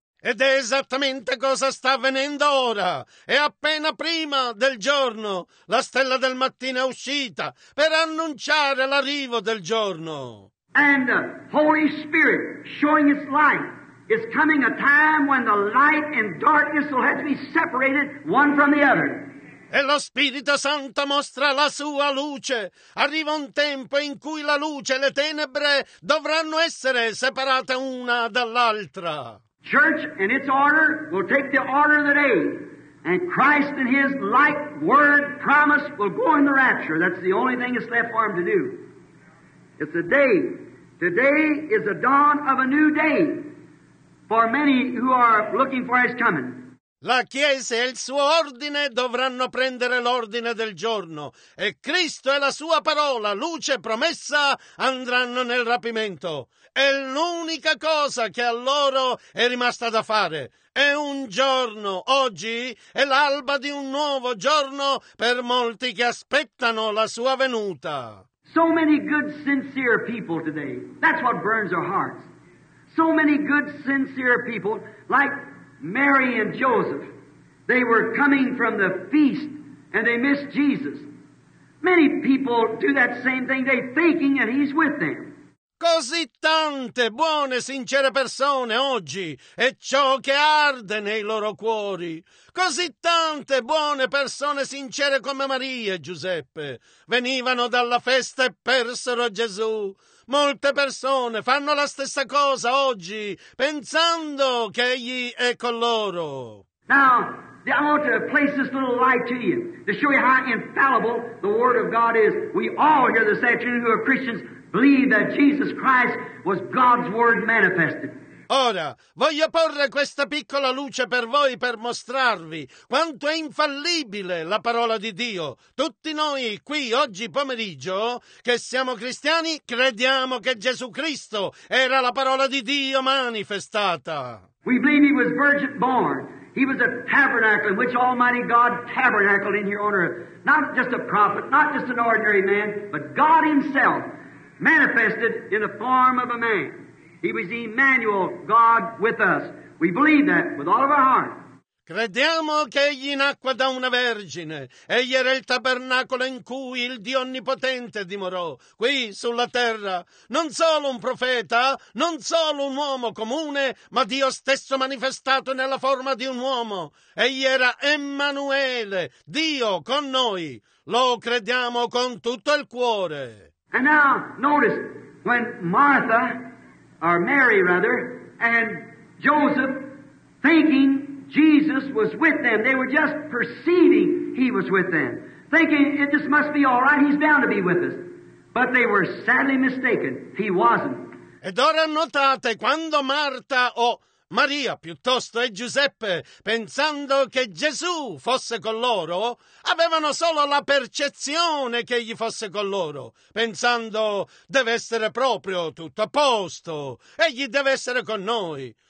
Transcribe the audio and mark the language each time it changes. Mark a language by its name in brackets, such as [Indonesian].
[Italian] Ed è esattamente cosa sta avvenendo ora. È appena prima del giorno. La stella del mattino è uscita per annunciare l'arrivo del giorno. [English] And the Holy Spirit showing its light. It's coming a time when the light and darkness will have to be separated one from the other. [Italian] E lo Spirito Santo mostra la sua luce. Arriva un tempo in cui la luce e le tenebre dovranno essere separate una dall'altra. [English] Church and its order will take the order of the day, and Christ and his light, word, promise will go in the rapture. That's the only thing it's left for him to do. It's a day. Today is the dawn of a new day for many who are looking for his coming. [Italian] La Chiesa e il suo ordine dovranno prendere l'ordine del giorno, e Cristo e la sua parola, luce promessa, andranno nel rapimento. È l'unica cosa che a loro è rimasta da fare. È un giorno, oggi, è l'alba di un nuovo giorno per molti che aspettano la sua venuta. [English] So many good, sincere people today. That's what burns our hearts. So many good, sincere people, like Mary and Joseph. They were coming from the feast and they missed Jesus. Many people do that same thing. They're thinking that he's with them. [Italian] Così tante buone e sincere persone oggi, e ciò che arde nei loro cuori. Così tante buone persone sincere come Maria e Giuseppe venivano dalla festa e persero Gesù. Molte persone fanno la stessa cosa oggi, pensando che egli è con loro. [English] Now, I want to place this little light to you to show you how infallible the Word of God is. We all here this afternoon who are Christians believe that Jesus Christ was God's Word manifested. [Italian] Ora, voglio porre questa piccola luce per voi per mostrarvi quanto è infallibile la parola di Dio. Tutti noi qui oggi pomeriggio, che siamo cristiani, crediamo che Gesù Cristo era la parola di Dio manifestata. [English] We believe he was virgin born. He was a tabernacle in which Almighty God tabernacled in here on earth. Not just a prophet, not just an ordinary man, but God himself manifested in the form of a man. He was Emmanuel, God with us. We believe that with all of our heart. [Italian] Crediamo che egli nacque da una vergine. Egli era il tabernacolo in cui il Dio Onnipotente dimorò, qui sulla terra. Non solo un profeta, non solo un uomo comune, ma Dio stesso manifestato nella forma di un uomo. Egli era Emmanuele, Dio con noi. Lo crediamo con tutto il cuore. [English] And now, notice, when Martha, or Mary rather, and Joseph, thinking Jesus was with them, they were just perceiving he was with them, thinking it just must be all right, he's bound to be with us. But they were sadly mistaken, he wasn't. [Italian] Ed ora notate, quando Marta o Maria, piuttosto, e Giuseppe, pensando che Gesù fosse con loro, avevano solo la percezione che egli fosse con loro, pensando, deve essere proprio tutto a posto, egli deve essere con noi.